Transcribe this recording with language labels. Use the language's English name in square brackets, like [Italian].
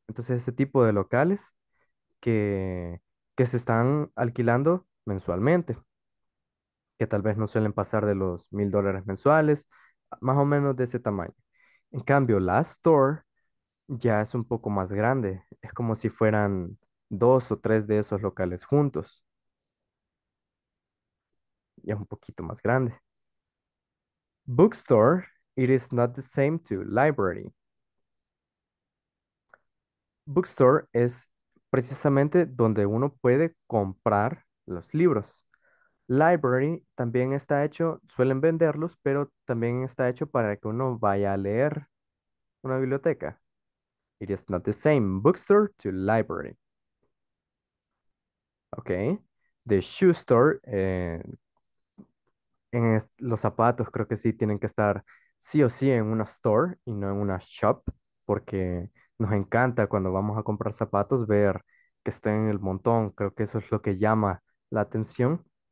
[Spanish] Entonces, ese tipo de locales que se están alquilando mensualmente, que tal vez no suelen pasar de los $1,000 mensuales, más o menos de ese tamaño. En cambio, la store ya es un poco más grande. Es como si fueran 2 o 3 de esos locales juntos. Y es un poquito más grande. [English] Bookstore, it is not the same to library. [Spanish] Bookstore es precisamente donde uno puede comprar los libros. Library también está hecho, suelen venderlos, pero también está hecho para que uno vaya a leer una biblioteca. [English] It is not the same bookstore to library. Okay. The shoe store, [Spanish] en los zapatos creo que sí tienen que estar sí o sí en una store y no en una shop, porque nos encanta cuando vamos a comprar zapatos ver que estén en el montón. Creo que eso es lo que llama la atención.